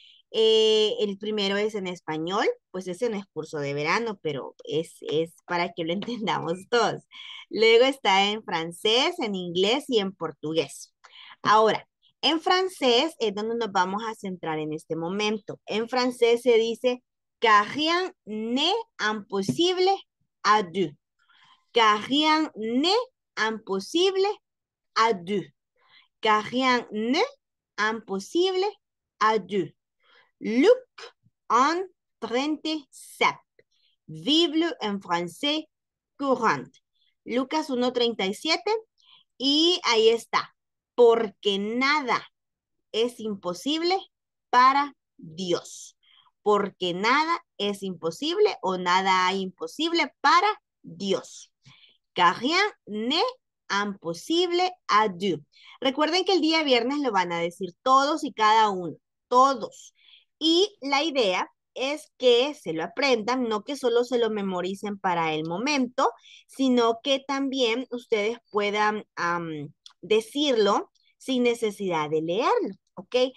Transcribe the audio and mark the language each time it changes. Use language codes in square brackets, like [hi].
[es] El primero es en español, pues ese no es curso de verano, pero es para que lo entendamos todos. Luego está en francés, en inglés y en portugués. Ahora, en francés es donde nos vamos a centrar en este momento. En francés se dice [fr] Car rien n'est impossible à Dieu. Car rien n'est impossible à Dieu. Car rien n'est impossible à Dieu. Luc en 37. Bible en français courante. [es] Lucas 1:37. Y ahí está. Porque nada es imposible para Dios. Porque nada es imposible o nada hay imposible para Dios. [fr] Car rien n'est impossible à Dieu. [es] Recuerden que el día viernes lo van a decir todos y cada uno. Todos. Y la idea es que se lo aprendan, no que solo se lo memoricen para el momento, sino que también ustedes puedan decirlo sin necesidad de leerlo, ¿ok?